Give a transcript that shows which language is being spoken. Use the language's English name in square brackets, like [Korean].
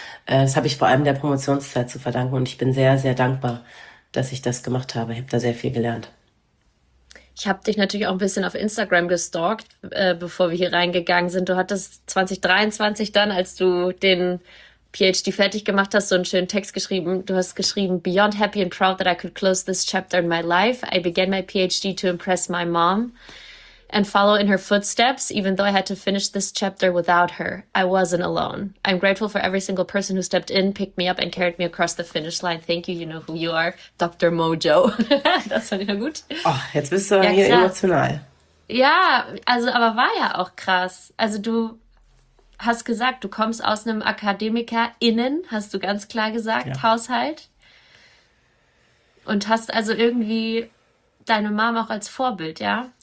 [German] Das habe ich vor allem der Promotionszeit zu verdanken. Und ich bin sehr, sehr dankbar, dass ich das gemacht habe. Ich habe da sehr viel gelernt. Ich habe dich natürlich auch ein bisschen auf Instagram gestalkt, bevor wir hier reingegangen sind. Du hattest 2023 dann, als du den PhD fertig gemacht hast, so einen schönen Text geschrieben. Du hast geschrieben, [English] "Beyond happy and proud that I could close this chapter in my life, I began my PhD to impress my mom and follow in her footsteps, even though I had to finish this chapter without her. I wasn't alone. I'm grateful for every single person who stepped in, picked me up and carried me across the finish line. Thank you, you know who you are, Dr. [German] Mojo." Das fand ich ja gut. Oh, jetzt bist du ja, hier krass. Emotional. Ja, also aber war ja auch krass. Also du hast gesagt, du kommst aus einem AkademikerInnen, hast du ganz klar gesagt, ja. Haushalt. Und hast also irgendwie deine Mom auch als Vorbild, ja?